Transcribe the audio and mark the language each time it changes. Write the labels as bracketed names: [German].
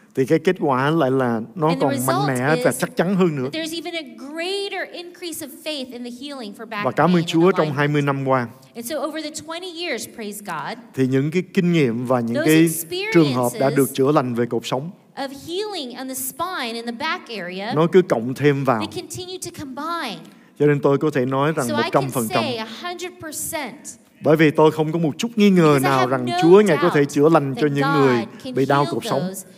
[Vietnamese] Thì cái kết quả lại là nó còn mạnh mẽ và chắc chắn hơn nữa. [English] There's even a greater increase of faith in the healing for back. [Vietnamese] Và cảm ơn Chúa trong 20 năm qua. [English] And so over the 20 years, praise God. [Vietnamese] Thì những cái kinh nghiệm và những cái trường hợp đã được chữa lành về cột sống. [English] Of healing on the spine in the back area. [Vietnamese] Nó cứ cộng thêm vào. [English] They continue to combine. [Vietnamese] Cho nên tôi có thể nói rằng 100%. [English] So I can say 100%. [Vietnamese] Bởi vì tôi không có một chút nghi ngờ nào rằng Chúa ngài có thể chữa lành cho những người bị đau cuộc sống.